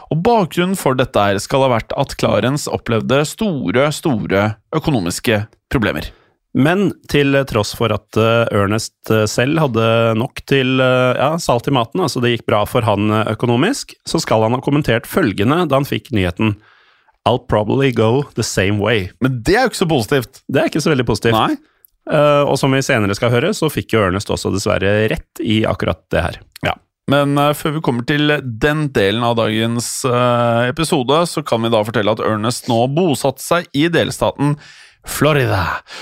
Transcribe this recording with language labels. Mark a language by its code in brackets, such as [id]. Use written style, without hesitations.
[no] Og bakgrunnen for dette her skal ha vært at Clarence opplevde store, store økonomiske problemer. Men til tross for at Ernest selv hadde nok til salt i maten, altså det gikk bra for han økonomisk, så skal han ha kommentert følgende da han fikk nyheten. [en] I'll probably go the same way. [no] Men det jo ikke så positivt. Det ikke så veldig positivt. Nei. Og som vi senere skal høre, så fikk jo Ernest også dessverre rett i akkurat det her. Ja. Men før vi kommer til den delen av dagens episode, så kan vi da fortelle at Ernest nå bosatt seg i delstaten Florida.